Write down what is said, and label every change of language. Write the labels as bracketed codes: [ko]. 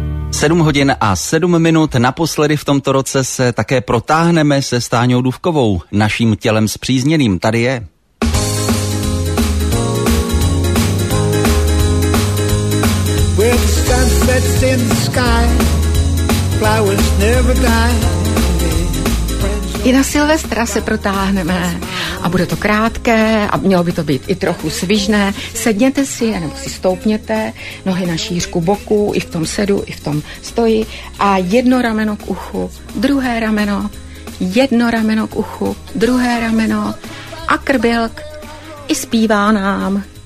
[cs] Sedm hodin a sedm minut, naposledy v tomto roce se také protáhneme se Stáňou Dufkovou, naším tělem zpřízněným, tady je. [en] Well, the sun sets in the sky, flowers never die. [cs] I na Silvestra se protáhneme a bude to krátké a mělo by to být i trochu svižné. Sedněte si, nebo si stoupněte, nohy na šířku boku, i v tom sedu, i v tom stoji, a jedno rameno k uchu, druhé rameno, jedno rameno k uchu, druhé rameno a krbilk i zpívá nám.